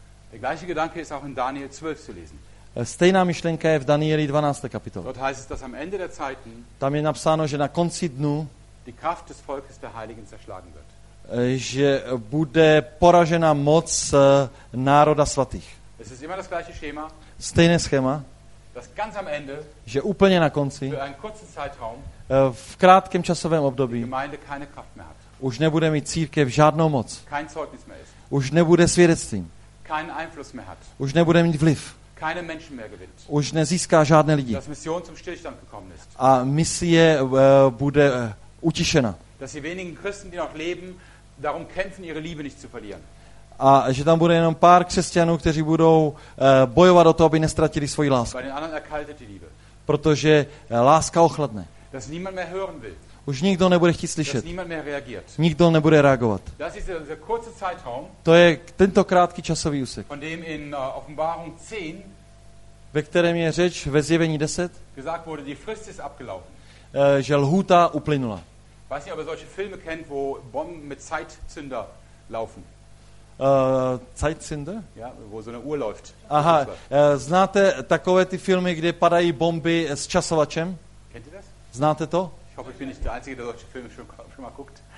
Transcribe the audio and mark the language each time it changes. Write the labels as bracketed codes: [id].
[de] Der gleiche Gedanke ist auch in Daniel 12 zu lesen. [cs] Stejná myšlenka je v Danieli 12. kapitole. [de] Dort heißt es, dass am Ende der Zeiten. [cs] Tam je napsáno, že na konci dnu. [de] Die Kraft des Volkes der Heiligen zerschlagen wird. [cs] Že bude poražena moc národa svatých. [de] Es ist immer das gleiche Schema. [cs] Stejné schéma. [de] Das ganz am Ende. [cs] Že úplně na konci. [de] Für einen kurzen Zeitraum. [cs] V krátkém časovém období. [de] Die Gemeinde keine Kraft mehr hat. [cs] Už nebude mít církev žádnou moc. [de] Kein Zeugnis mehr ist. [cs] Už nebude svědectvím. [de] Keinen Einfluss mehr hat. [cs] Už nebude mít vliv. [de] Keine Menschen mehr gewinnt. [cs] Už nezíská žádné lidi. [de] Das Mission zum Stillstand gekommen ist. [cs] A misie bude utišena. [de] Dass die wenigen Christen, die noch leben, darum kämpfen, ihre Liebe nicht zu verlieren. [cs] A že tam bude jenom pár křesťanů, kteří budou bojovat o to, aby nestratili svoji lásku. [de] Weil den anderen erkaltet die Liebe. [cs] Protože láska ochladne. [de] Dass niemand mehr hören will. [cs] Už nikdo nebude chtít slyšet. [de] Dass niemand mehr reagiert. [cs] Nikdo nebude reagovat. [de] Das ist der kurze Zeitraum. [cs] To je tento krátký časový úsek. [de] Von dem in Offenbarung 10, [cs] ve kterém je řeč ve zjevení 10, [de] gesagt wurde, die Frist ist abgelaufen. [cs] Že lhůta uplynula. [de] Weiß nicht, ob ihr solche Filme kennt, wo Bomben mit Zeitzünder laufen. Zeitzünder? Ja, wo so eine Uhr läuft. [cs] Aha, znáte takové ty filmy, kde padají bomby s časovačem? [de] Kennt ihr das? [cs] Znáte to? [de] Ich hoffe, ich bin nicht der Einzige, der solche Filme schon mal guckt.